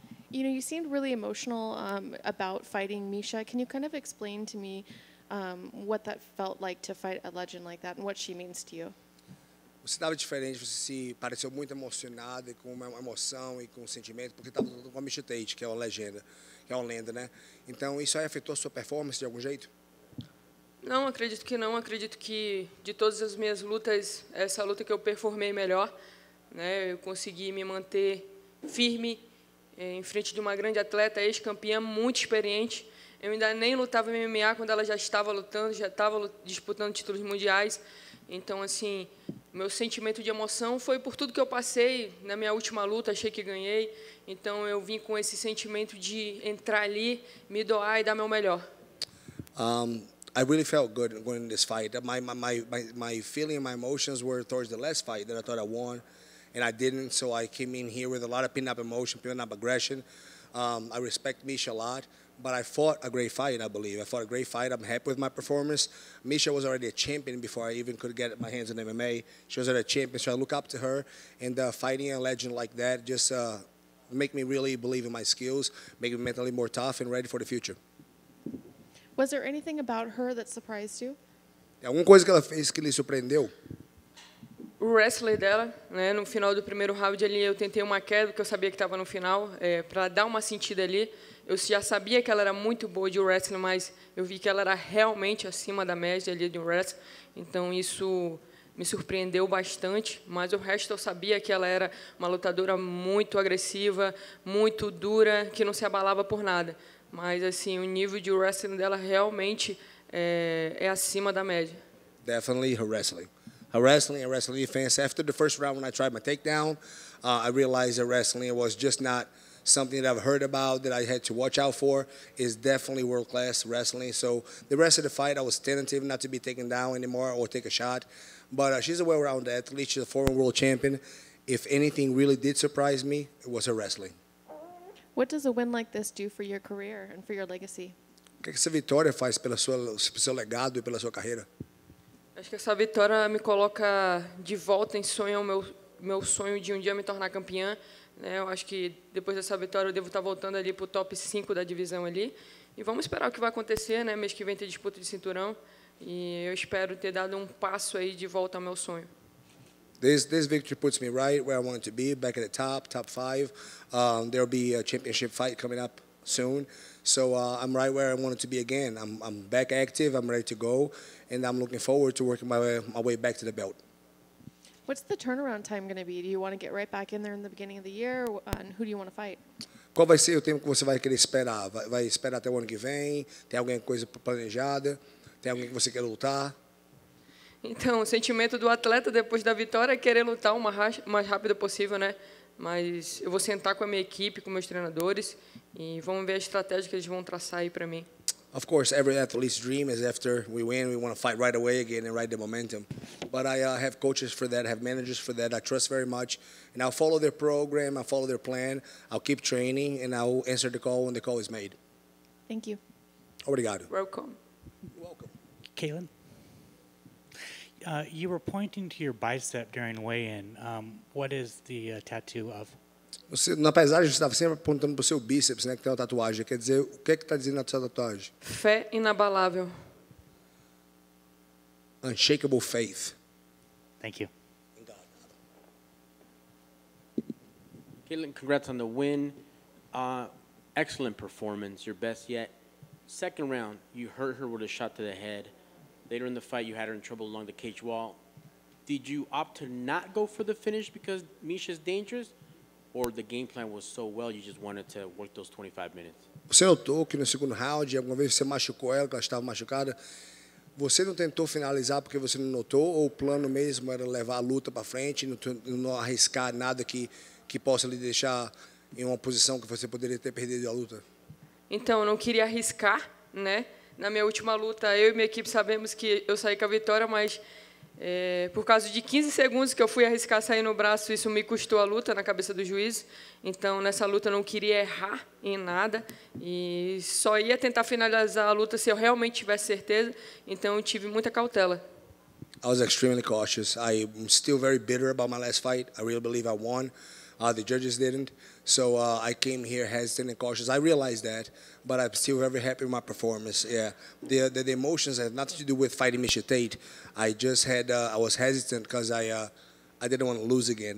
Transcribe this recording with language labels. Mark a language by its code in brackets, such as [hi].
[en] You know, you seemed really emotional about fighting Misha. Can you kind of explain to me what that felt like to fight a legend like that and what she means to you? [pt] Você estava diferente, você se pareceu muito emocionado e com uma emoção e com um sentimento, porque estava lutando com a Misha Tate, que é uma legenda, que é uma lenda, né? Então, isso aí afetou a sua performance de algum jeito? Não, acredito que não. Acredito que, de todas as minhas lutas, essa luta que eu performei melhor, né? Eu consegui me manter firme em frente de uma grande atleta, ex-campeã, muito experiente. Eu ainda nem lutava MMA quando ela já estava lutando, já estava disputando títulos mundiais. Então, assim, meu sentimento de emoção foi por tudo que eu passei na minha última luta, achei que ganhei. Então, eu vim com esse sentimento de entrar ali, me doar e dar meu melhor. [en] I really felt good going in this fight. My feeling, my emotions were towards the last fight that I thought I won, and I didn't. So I came in here with a lot of pent up emotion, pent up aggression. I respect Misha a lot. But I fought a great fight, I believe. I fought a great fight. I'm happy with my performance. Misha was already a champion before I even could get my hands on MMA. She was already a champion, so I look up to her. And fighting a legend like that just make me really believe in my skills, make me mentally more tough and ready for the future. Was there anything about her that surprised you? [pt] Alguma coisa que ela fez que lhe surpreendeu? O wrestler dela, né, no final do primeiro round ali, eu tentei uma queda, porque eu sabia que estava no final, para dar uma sentida ali. Eu já sabia que ela era muito boa de wrestling, mas eu vi que ela era realmente acima da média ali de wrestling. Então, isso me surpreendeu bastante. Mas o resto, eu sabia que ela era uma lutadora muito agressiva, muito dura, que não se abalava por nada. Mas, assim, o nível de wrestling dela realmente é acima da média. [en] Definitely her wrestling. Her wrestling and wrestling defense. After the first round, when I tried my takedown, I realized that wrestling was just not something that I've heard about that I had to watch out for. It's definitely world-class wrestling. So the rest of the fight, I was tentative not to be taken down anymore or take a shot. But she's a well-rounded athlete. She's a former world champion. If anything really did surprise me, it was her wrestling. What does a win like this do for your career and for your legacy? [pt] O que essa vitória faz pelo seu legado e pela sua carreira? Acho que essa vitória me coloca de volta em sonho, meu sonho de um dia me tornar campeã. Né? Eu acho que depois dessa vitória eu devo estar voltando ali para o top 5 da divisão ali. E vamos esperar o que vai acontecer, né? Mês que vem tem disputa de cinturão. E eu espero ter dado um passo aí de volta ao meu sonho. [en] This victory puts me right where I want to be, back at the top 5. There'll be a championship fight coming up soon. So I'm right where I wanted to be again. I'm back active. I'm ready to go, and I'm looking forward to working my way back to the belt. What's the turnaround time going to be? Do you want to get right back in there in the beginning of the year, and who do you want to fight? [pt] Qual vai ser o tempo que você vai querer esperar? Vai esperar até o ano que vem? Tem alguma coisa planejada? Tem alguém que você quer lutar? Então, o sentimento do atleta depois da vitória é querer lutar o mais rápido possível, né? Mas eu vou sentar com a minha equipe, com meus treinadores, e vamos ver a estratégia que eles vão traçar aí para mim. [en] Of course, every athlete's dream is after we win, we want to fight right away again and ride the momentum. But I have coaches for that, I have managers for that, I trust very much. And I'll follow their program, I'll follow their plan, I'll keep training, and I'll answer the call when the call is made. Thank you. [pt] Obrigado. [en] Welcome. Welcome. Kaylin? You were pointing to your bicep during weigh-in. What is the tattoo of? [pt] Você, na paisagem, estava sempre apontando para o seu bíceps, né, que tem uma tatuagem. Quer dizer, o que é que está dizendo na sua tatuagem? Fé inabalável. [en] Unshakable faith. Thank you. In God. Kaylin, congrats on the win. Excellent performance, your best yet. Second round, you hurt her with a shot to the head. Later in the fight, you had her in trouble along the cage wall. Did you opt to not go for the finish because Misha's dangerous? Or the game plan was so well, you just wanted to work those 25 minutes? [pt] Você notou que no segundo round, alguma vez você machucou ela, que ela estava machucada. Você não tentou finalizar porque você não notou? Ou o plano mesmo era levar a luta para frente, não arriscar nada que possa lhe deixar em uma posição que você poderia ter perdido a luta? Então, eu não queria arriscar, né? Na minha última luta, eu e minha equipe sabemos que eu saí com a vitória, mas Por causa de 15 segundos que eu fui arriscar sair no braço, isso me custou a luta na cabeça do juiz. Então, nessa luta, eu não queria errar em nada. E só ia tentar finalizar a luta se eu realmente tivesse certeza. Então, eu tive muita cautela. [en] I was extremely cautious. I'm still very bitter about my last fight. I really believe I won. The judges didn't. So, I came here hesitant and cautious. I realized that. But I'm still very happy with my performance. Yeah, the emotions have nothing to do with fighting Misha Tate. I just had I was hesitant because I didn't want to lose again.